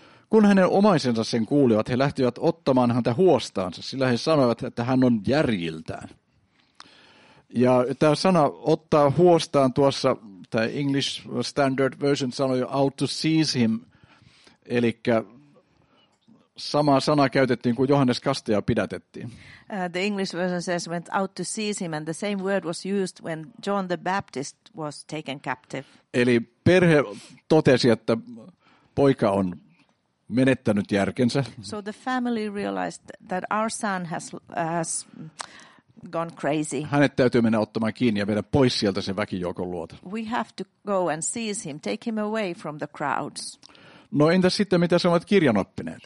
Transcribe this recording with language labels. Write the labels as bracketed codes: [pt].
[fi] Kun hänen omaisensa sen kuulivat, he lähtivät ottamaan häntä huostaansa, sillä he sanoivat, että hän on järjiltään. Ja tämä sana ottaa huostaan tuossa, tämä English Standard Version sanoi [en] out to seize him, [fi] eli samaa sanaa käytettiin kuin Johannes Kastaja pidätettiin. [en] The English version says went out to seize him and the same word was used when John the Baptist was taken captive. [fi] Eli perhe totesi, että poika on menettänyt järkensä. [en] So the family realized that our son has gone crazy. [fi] Hänet täytyy mennä ottamaan kiinni ja viedä pois sieltä sen väkijoukon luota. [en] We have to go and seize him, take him away from the crowds. [fi] No entäs sitten, mitä sanovat kirjanoppineet?